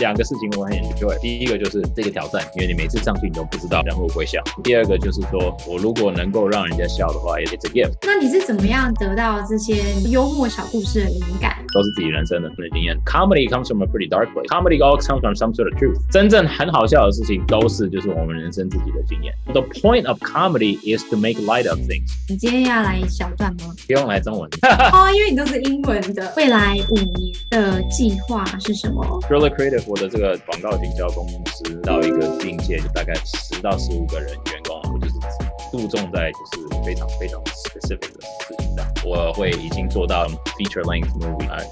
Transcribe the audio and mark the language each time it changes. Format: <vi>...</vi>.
<zh>两个事情我很 enjoy， 第一个就是这个挑战，因为你每次上去你都不知道人会不会笑。第二个就是说我如果能够让人家笑的话</zh> <en>it's a gift。</en> <zh>那你是怎么样得到这些幽默小故事的灵感？都是自己人生的经验。</zh> <en>Comedy comes from a pretty dark place， Comedy always comes from some sort of truth。</en> <zh>真正很好笑的事情都是就是我们人生自己的经验。</zh> <en>The point of comedy is to make light of things。</en> <zh>你今天要来一小段吗？不用来中文哦，因为你都是英文的。未来五年的计划是什么？ Thriller Creative 我的这个广告营销公司到一个境界，就大概10到15个人员工，我就是注重在就是非常非常 specific 的事情上。我会已经做到 feature length movie。</zh>